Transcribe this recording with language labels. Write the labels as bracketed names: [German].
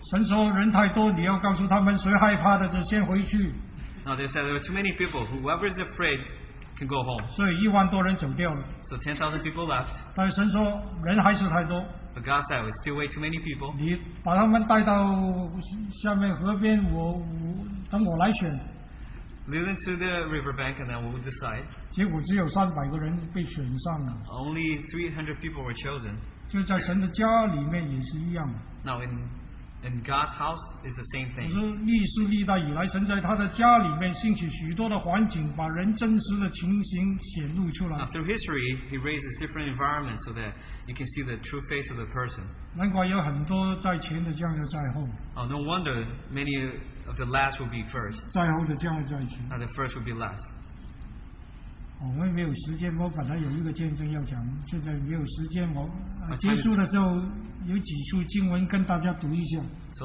[Chinese] 神说人太多, 你要告诉他们谁害怕的就先回去。 [English] Now they said there were too many people. Whoever is afraid can go home. [Chinese] 所以1万多人走掉了。 [English] So 10,000 people left. [Chinese] 但神说人还是太多。 [English] But God said, "We still wait too many people." [Chinese] 你把他们带到下面河边, 等我来选。 [English] Lead them to the riverbank and then we will decide. [Chinese] 结果只有300个人被选上了。 [English] Only 300 people were chosen. [Chinese] 就在神的家里面也是一样。 [English] Now in God's house is the same thing. [Chinese] 历世历代以来，神在他的家里面兴起许多的环境，把人真实的情形显露出来。 [English] Now through history, He raises different environments so that you can see the true face of the person. [Chinese] 难怪有很多在前的将要在后。 [English] Oh, no wonder many of the last will be first. [Chinese] 在后的将要在前。 [English] Now the first will be last. [Chinese] 我们没有时间，我本来有一个见证要讲，现在没有时间，我结束的时候有几处经文跟大家读一下。 [English] So